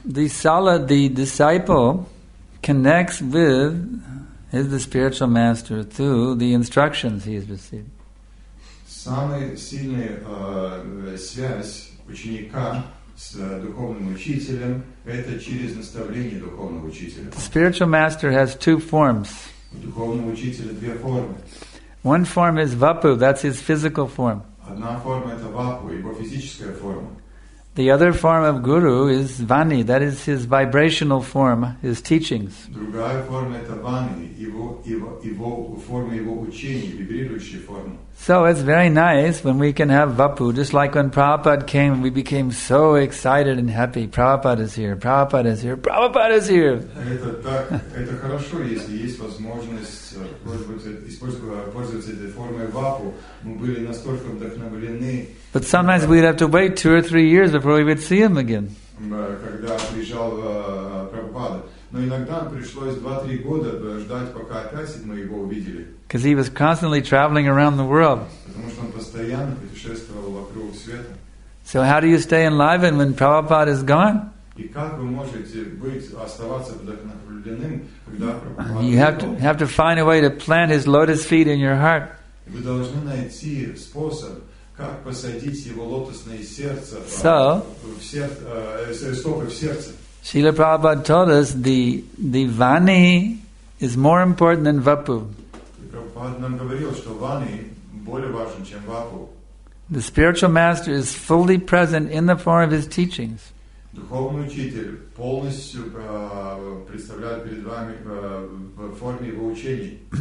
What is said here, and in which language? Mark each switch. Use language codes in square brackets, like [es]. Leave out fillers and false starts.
[en] The Sala, the disciple, connects with his the spiritual master through the instructions he has received. [ru] Самая сильная связь ученика с духовным учителем это через наставление духовного учителя. [en] The spiritual master has two forms. [ru] У духовного учителя две формы. [en] One form is vapu, that's his physical form. [ru] Одна форма это вапу, его физическая форма. [en] The other form of guru is vani, that is his vibrational form, his teachings. [ru] Другая форма это вани, его форма его учения, вибрирующая форма. [en] So it's very nice when we can have vapu, just like when Prabhupada came, we became so excited and happy. Prabhupada is here. [ru] Это так, это хорошо, если есть возможность использовать этой формой вапу. Мы были настолько вдохновлены. [en] But sometimes we'd have to wait 2 or 3 years before we would see him again. [ru] Когда приезжал Прабхупада. Но иногда пришлось 2-3 года ждать, пока опять мы его увидели. [en] Because he was constantly traveling around the world. [ru] Потому что он постоянно путешествовал вокруг света. [en] So how do you stay enlivened when Prabhupada is gone? [ru] И как вы можете оставаться вдохновленным, когда Прабхупада ушел? [en] You have to find a way to plant his lotus feet in your heart. [ru] Вы должны найти способ, как посадить его лотосное сердце в сердце. [en] Srila Prabhupada told us the vani is more important than vapu. [ru] Prabhupada нам говорил, что вани более важен, чем вапу. [en] The spiritual master is fully present in the form of his teachings. [ru] Духовный учитель полностью представляет перед вами в форме его учений.